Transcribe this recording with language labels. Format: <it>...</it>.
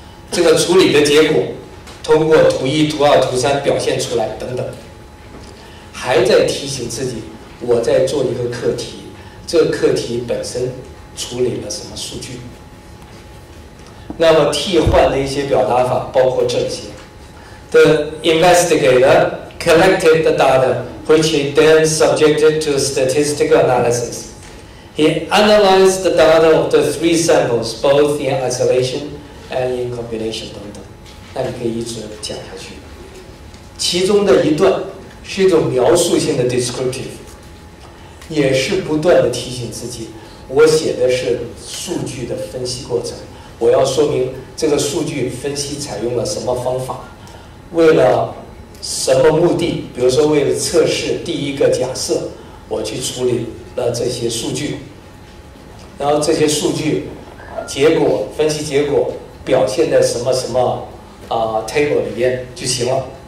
<zh>这个处理的结果通过图一、图二、图三表现出来等等。还在提醒自己，我在做一个课题，这个课题本身处理了什么数据。那么替换的一些表达法包括这些。</zh> <en>The investigator collected the data which he then subjected to statistical analysis. He analyzed the data of the three samples both in isolation and in combination</en> <zh>等等。那你可以一直讲下去。其中的一段是一种描述性的 descriptive， 也是不断的提醒自己，我写的是数据的分析过程，我要说明这个数据分析采用了什么方法，为了什么目的，比如说为了测试第一个假设，我去处理了这些数据，然后这些数据结果分析结果表现在什么什么table 里面就行了。</zh>